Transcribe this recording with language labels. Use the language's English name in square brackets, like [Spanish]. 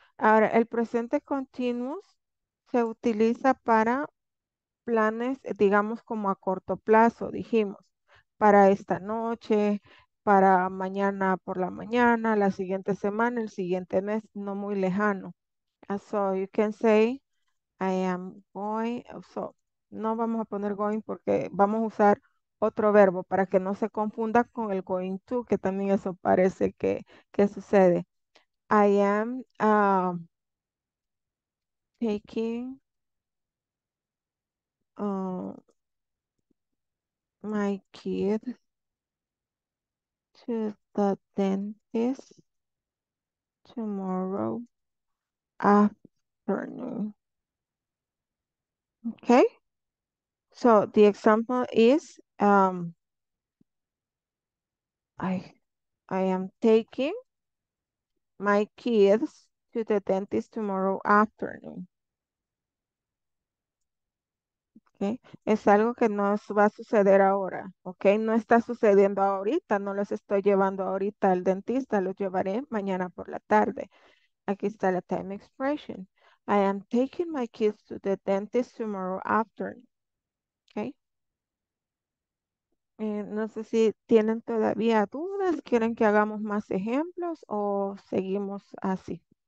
[Spanish] Ahora, el presente continuous se utiliza para planes, digamos, como a corto plazo, dijimos, para esta noche, para mañana por la mañana, la siguiente semana, el siguiente mes, no muy lejano. [English] So you can say, I am going. [Spanish] So, no vamos a poner going porque vamos a usar otro verbo para que no se confunda con el going to, que también eso parece que sucede. [English] I am taking my kid to the dentist tomorrow afternoon. Okay. So the example is I am taking my kids to the dentist tomorrow afternoon. Okay. [Spanish] Es algo que no va a suceder ahora. Okay. No está sucediendo ahorita. No los estoy llevando ahorita al dentista. Los llevaré mañana por la tarde. Aquí está la time expression. [English] I am taking my kids to the dentist tomorrow afternoon. Okay. [Spanish] No sé si tienen todavía dudas, quieren que hagamos más ejemplos o seguimos así.